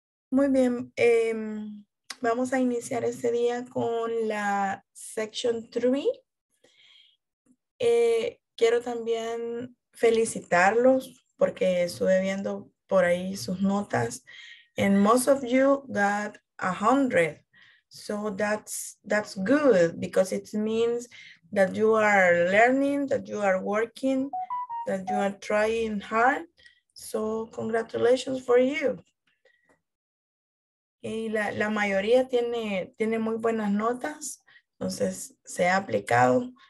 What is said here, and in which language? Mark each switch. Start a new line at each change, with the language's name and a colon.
Spanish: Muy bien, vamos a iniciar este día con la section 3. Quiero también felicitarlos porque estuve viendo por ahí sus notas.
English: And most of you got 100. So that's good because it means that you are learning, that you are working, that you are trying hard. So congratulations for you.
Spanish: Y la mayoría tiene muy buenas notas, entonces se ha aplicado.